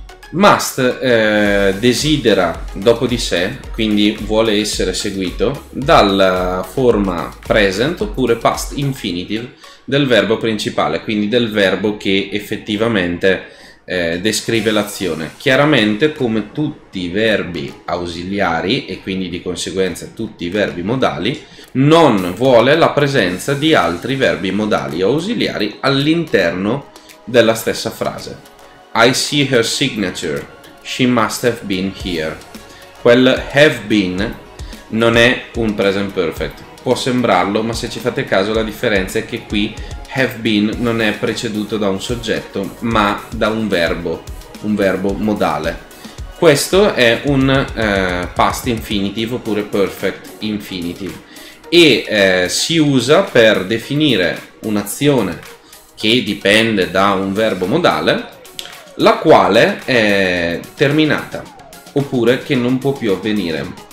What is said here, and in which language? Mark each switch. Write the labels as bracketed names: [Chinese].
[Italian] Must desidera dopo di sé, quindi vuole essere seguito, dalla forma present oppure past infinitive del verbo principale, quindi del verbo che effettivamente descrive l'azione. Chiaramente, come tutti i verbi ausiliari e quindi di conseguenza tutti i verbi modali, non vuole la presenza di altri verbi modali o ausiliari all'interno della stessa frase. [English] I see her signature, she must have been here. [Italian] Quel have been non è un present perfect, può sembrarlo, ma se ci fate caso la differenza è che qui have been non è preceduto da un soggetto ma da un verbo modale. Questo è un past infinitive oppure perfect infinitive, e si usa per definire un'azione che dipende da un verbo modale, la quale è terminata, oppure che non può più avvenire.